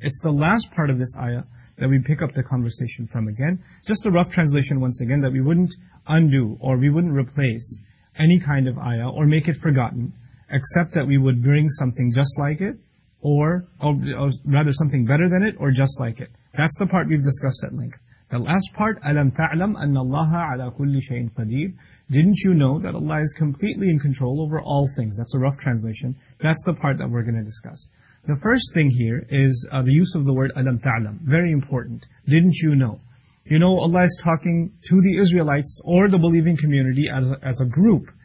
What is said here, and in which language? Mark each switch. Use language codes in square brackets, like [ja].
[en] It's the last part of this ayah that we pick up the conversation from again. Just a rough translation once again, that we wouldn't undo or we wouldn't replace any kind of ayah or make it forgotten, except that we would bring something just like it, or rather something better than it, or just like it. That's the part we've discussed at length. The last part, [ar] أَلَمْ تَعْلَمْ أَنَّ اللَّهَ عَلَىٰ كُلِّ شَيْءٍ قَدِيرٍ. [en] Didn't you know that Allah is completely in control over all things? That's a rough translation. That's the part that we're going to discuss. The first thing here is the use of the word alam ta'lam. Very important. Didn't you know? You know, Allah is talking to the Israelites or the believing community as a group.